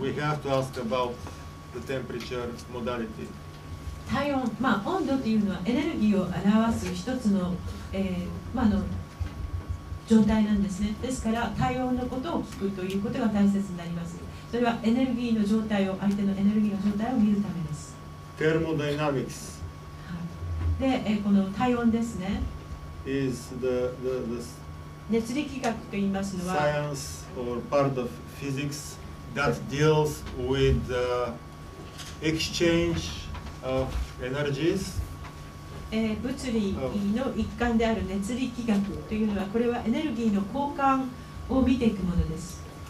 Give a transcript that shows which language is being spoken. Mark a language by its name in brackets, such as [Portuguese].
[English] we have to ask about the temperature modality. [Japanese] 体温、まあ温度というのはエネルギーを表す一つの、まあの状態なんですね。ですから体温のことを聞くということが大切になります。それはエネルギーの状態を相手のエネルギーの状態を見るためです。 [English] Thermodynamics. [Japanese] でこの体温ですね。 [English] Is the [Japanese] 熱力学と言いますのは、 [English] science or part of physics that deals with the exchange of energies。 [Japanese] 物理の一環である熱力学というのは、これはエネルギーの交換を見ていくものです。